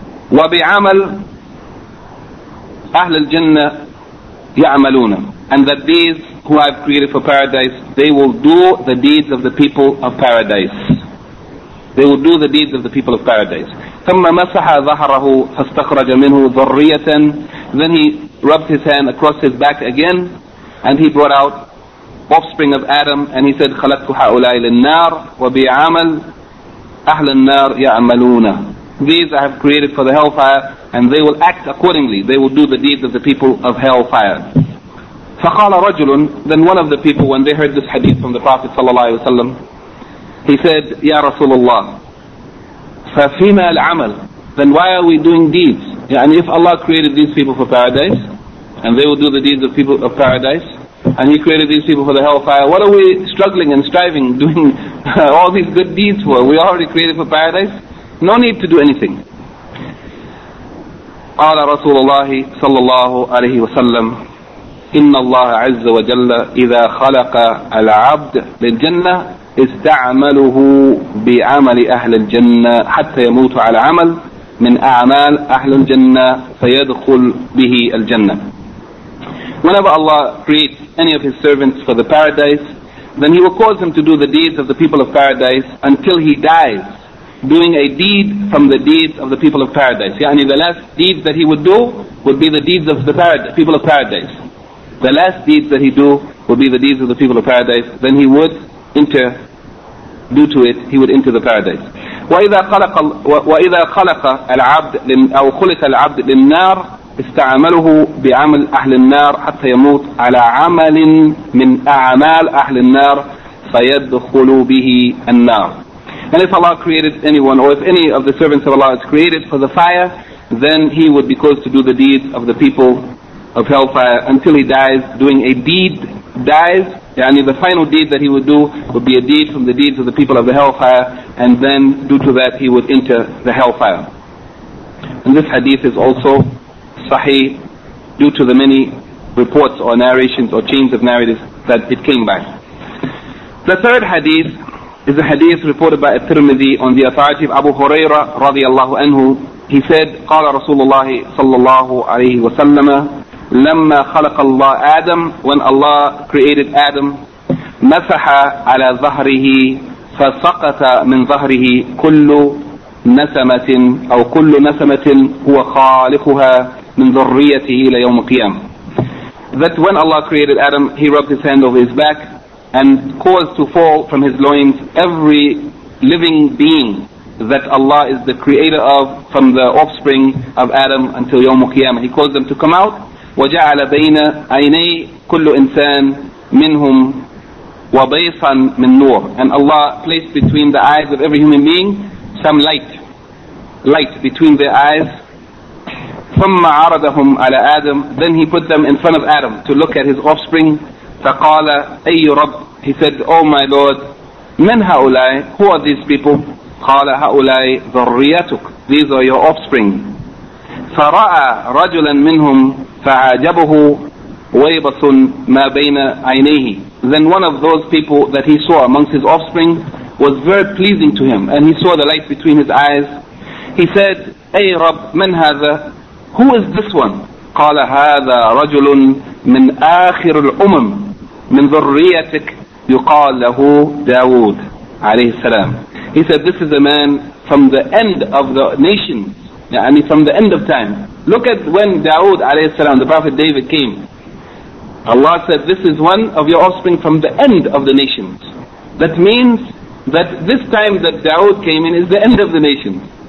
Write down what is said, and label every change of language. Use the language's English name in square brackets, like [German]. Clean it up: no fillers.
[Arabic] وَبِعَمَلْ أَهْلِ الْجَنَّةِ يَعْمَلُونَ, [English] and that these who I've created for paradise, they will do the deeds of the people of paradise. They will do the deeds of the people of paradise. [Arabic] ثم مسح ظهره فاستخرج منه ذرية. [English] Then he rubbed his hand across his back again, and he brought out offspring of Adam, and he said, [Arabic] خلقت هؤلاء للنار وبعمل أهل النار يعملون. [English] These I have created for the hellfire, and they will act accordingly. They will do the deeds of the people of hellfire. [Arabic] فقال رجل, [English] then one of the people, when they heard this hadith from the Prophet صلى الله عليه وسلم, he said, [Arabic] يا رسول الله, ففيما العمل, [English] then why are we doing deeds? And if Allah created these people for paradise, and they will do the deeds of people of paradise, and He created these people for the hellfire, what are we struggling and striving, doing all these good deeds for? We already created for paradise, no need to do anything. [Arabic] قال رسول الله صلى الله عليه وسلم, إن الله عز وجل إذا خلق العبد للجنة استعمله بعمل أهل الجنة حتى يموت على عمل من أعمال أهل الجنة فيدخل به الجنة. [English] Whenever Allah creates any of His servants for the paradise, then He will cause him to do the deeds of the people of paradise until he dies, doing a deed from the deeds of the people of paradise. Yani the last deeds that he would do would be the deeds of the people of paradise. The last deeds that he do would be the deeds of the people of paradise. Then he would enter, due to it, he would enter the paradise. [Arabic] وَإِذَا خَلَقَ الْعَبْدِ أَوْ خُلِقَ الْعَبْدِ لِلنَّارِ استعمله بعمل أهل النار حتى يموت على عمل من أعمال أهل النار فيدخل به النار. [English] And if Allah created anyone, or if any of the servants of Allah is created for the fire, then he would be caused to do the deeds of the people of hellfire until he dies, doing a deed, dies, yani the final deed that he would do would be a deed from the deeds of the people of the hellfire, and then due to that he would enter the hellfire. And this hadith is also Sahih, due to the many reports or narrations or chains of narratives that it came by. The third hadith is a hadith reported by At-Tirmidhi on the authority of Abu Huraira radiallahu anhu. He said, [Arabic] قال رسول الله صلى الله عليه وسلم لما خلق الله آدم, [English] when Allah created Adam, [Arabic] مسح على ظهره فسقط من ظهره كل نسمة أو كل نسمة هو خالقها من ذريته إلى يوم القيامة. [English] That when Allah created Adam, He rubbed His hand over his back and caused to fall from his loins every living being that Allah is the creator of, from the offspring of Adam until يوم القيامة. He caused them to come out. [Arabic] وجعل بين عيني كل إنسان منهم وبيصا من نور. [English] And Allah placed between the eyes of every human being some light between their eyes. [Arabic] ثم عرضهم على آدم, [English] then he put them in front of Adam to look at his offspring. [Arabic] فقال أي رب, [English] he said, oh my Lord, [Arabic] من هؤلاء, [English] who are these people? [Arabic] قال هؤلاء ذريتك, [English] these are your offspring. [Arabic] فرأى رجلا منهم فعجبه ويبص ما بين عينيه, [English] then one of those people that he saw amongst his offspring was very pleasing to him, and he saw the light between his eyes. He said, [Arabic] أي رب, من هذا, [English] who is this one? [Arabic] قال هذا رجل من آخر الأمم من ذريتك يقال له داود عليه السلام. [English] He said, this is a man from the end of the nation, يعني from the end of time. Look at when داود عليه السلام, the Prophet David came. Allah said, this is one of your offspring from the end of the nations. That means that this time that داود came in is the end of the nations.